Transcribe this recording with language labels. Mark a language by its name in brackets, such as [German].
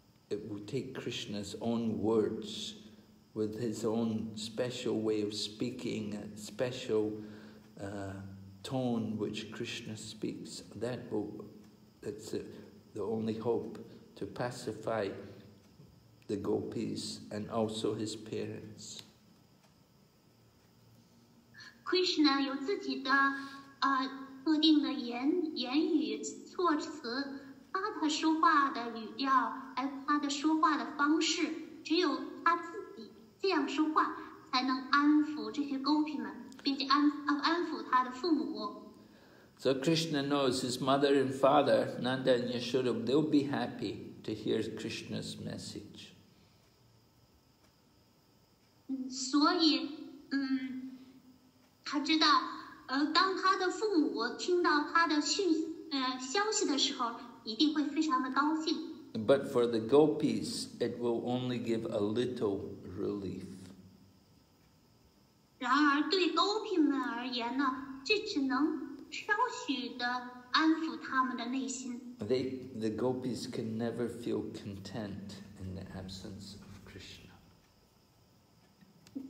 [English] It will take Krishna's own words with his own special way of speaking, a special tone which Krishna speaks. That's the only hope to pacify the gopis and also his parents. [Chinese] Krishna 有自己的特定的言语措辞，他的说话的语调，他的说话的方式，只有他自己这样说话，才能安抚这些勾皮们，并且安抚他的父母。 [English] So Krishna knows his mother and father, Nanda and Yashoda, they'll be happy to hear Krishna's message. [Chinese] 所以他知道，当他的父母听到他的消息的时候，一定会非常的高兴。 [English] But for the gopis, it will only give a little relief. [Chinese] 然而对 gopi 们而言呢，这只能稍许的安抚他们的内心。 [English] The gopis can never feel content in the absence of Krishna.